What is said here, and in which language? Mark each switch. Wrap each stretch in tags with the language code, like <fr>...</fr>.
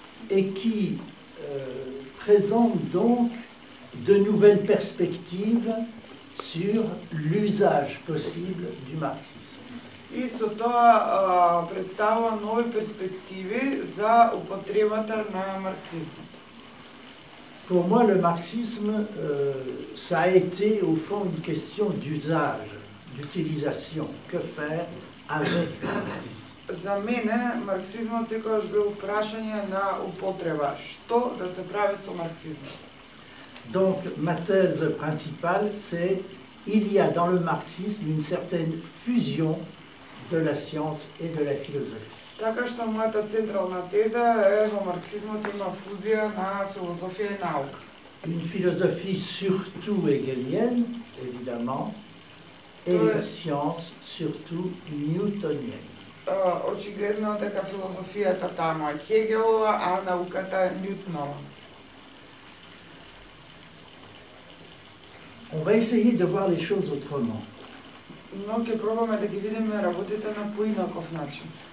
<fr>Et qui présente donc de nouvelles perspectives sur l'usage possible du marxisme.</fr> <mk>И со тоа представува нови перспективи за употребата на марксизмот.</mk> <fr>Pour moi le marxisme ça a été au fond une question d'usage, d'utilisation, que faire avec le marxisme.</fr> <mk>За мене марксизмот секогаш бил прашање на употреба, што да се прави со марксизмот.</mk> <fr>Donc ma thèse principale c'est il y a dans le marxisme une certaine fusion de la science et de la philosophie.</fr> <mk>Така што мојата централна теза е во марксизмот има фузија на филозофија и наука.</mk> <fr>Une philosophie surtout hegelienne évidemment et la science surtout newtonienne.</fr> <mk>Очигледно дека филозофијата таму е Хегелова, а науката е Ньютонова.</mk> <fr>On va essayer de voir les choses autrement. Non, que probablement de</fr> <mk>ги видиме работите на поинаков начин.</mk>